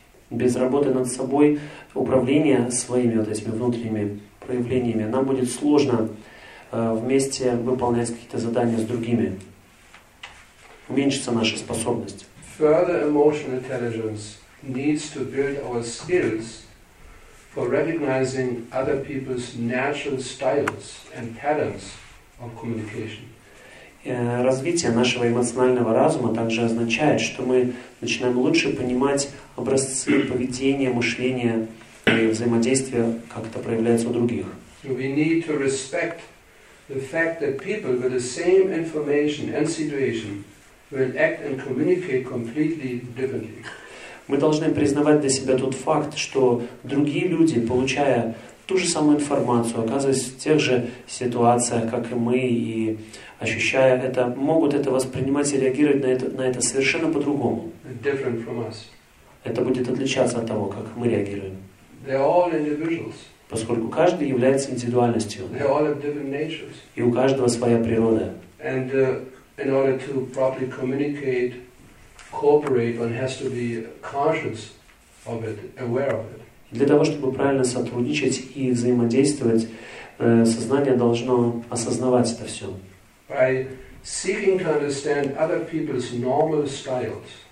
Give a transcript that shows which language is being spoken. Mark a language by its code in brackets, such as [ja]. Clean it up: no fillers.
[ru] Без работы над собой, управление своими вот этими внутренними проявлениями, нам будет сложно вместе выполнять какие-то задания с другими. Уменьшится наша способность. [en] Further emotional intelligence needs to build our skills for recognizing other people's natural styles and patterns of communication. [ru] Развитие нашего эмоционального разума также означает, что мы начинаем лучше понимать образцы поведения, мышления и взаимодействия, как это проявляется у других. [en] We need to respect the fact that people with the same information and situation will act and communicate completely differently. [ru] Мы должны признавать для себя тот факт, что другие люди, получая ту же самую информацию, оказываясь в тех же ситуациях, как и мы, и ощущая это, могут это воспринимать и реагировать на это совершенно по-другому. [en] Different from us. [ru] Это будет отличаться от того, как мы реагируем. [en] They are all individuals. [ru] Поскольку каждый является индивидуальностью. [en] They are all of different natures. [ru] И у каждого своя природа. [en] And in order to properly communicate, cooperate, one has to be conscious of it, aware of it. [ru] Для того, чтобы правильно сотрудничать и взаимодействовать, сознание должно осознавать это все. [en] By seeking to understand other people's normal styles.